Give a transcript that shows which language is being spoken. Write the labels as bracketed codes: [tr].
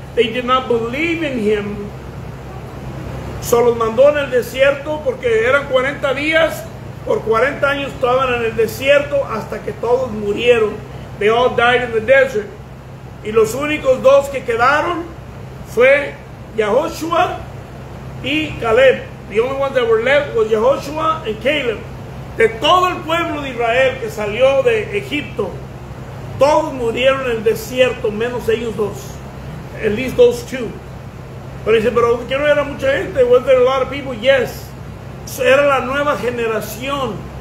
[en] They did not believe in him. [es] So los mandó en el desierto porque eran 40 días. Por 40 años estaban en el desierto hasta que todos murieron. [en] They all died in the desert. [es] Y los únicos dos que quedaron fue Yahoshua y Caleb. [en] The only ones that were left was Yehoshua and Caleb. [es] De todo el pueblo de Israel que salió de Egipto, todos murieron en el desierto, menos ellos dos. [en] At least those two. [es] Pero dice, pero que no era mucha gente. [en] Was there a lot of people? Yes. So [es] era la nueva generación.